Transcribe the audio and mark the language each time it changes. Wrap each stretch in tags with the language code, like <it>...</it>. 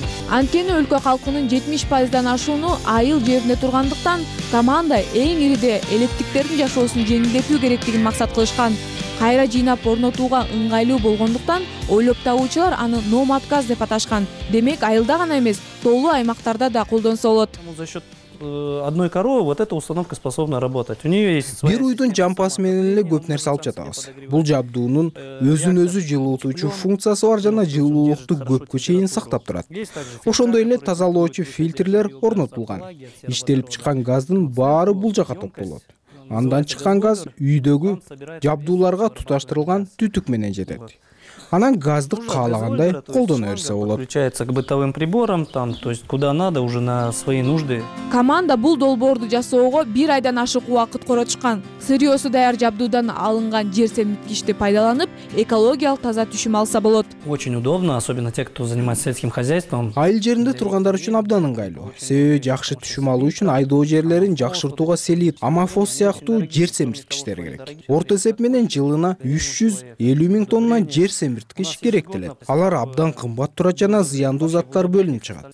<ky>Анткени өлкө калкынын 70%дан ашууну айыл жеринде тургандыктан, команда эң ириде электриктердин жашоосун жеңилдетүү керектигин максат кылышкан. Кайра жыйнап орнотууга ыңгайлуу болгондуктан ойлоп табуучулар аны номадказ деп аташкан. Демек айылда гана эмес, тоолуу аймактарда да колдонсо болот.</ky> <ru>За счёт одной коровы вот эта установка способна работать. У неё есть</ru> <ky>бир уйдун жампасы менен эле көп нерсе алып жатабыз. Бул жабдуунун өзүн өзү жылуутуучу функциясы бар жана жылуулукту көпкө чейин сактап турат. Ошондой эле тазалоочу фильтрлер орнотулган. Иштелип чыккан газдын баары бул жакка топтолот. Андан чыккан газ үйдөгү жабдууларга туташтырылган түтүк менен жетет. Анан газды каалагандай колдоно берсе болот.</ky> <ru>Включается к бытовым приборам там, то есть куда надо уже на свои нужды.</ru> <ky>Команда бул долбоорду жасоого бир айдан ашык убакыт коротушкан. Сырьёсу даяр жабдуудан алынган жер семирткичти пайдаланып, экологиялык таза түшүм алса болот.</ky> <ru>Очень удобно, особенно те, кто занимается сельским хозяйством.</ru> <ky>Айыл жеринде тургандар үчүн абдан ыңгайлуу. Себеби жакшы түшүм алуу үчүн айдоо жерлерин жакшыртууга селит, амафос сыяктуу жер семирткичтер керек. Орто эсеп менен жылына 350 000 тонна жер семирткич керектелет. Алар абдан кымбат турат жана зыяндуу заттар бөлүнүп чыгат.</ky>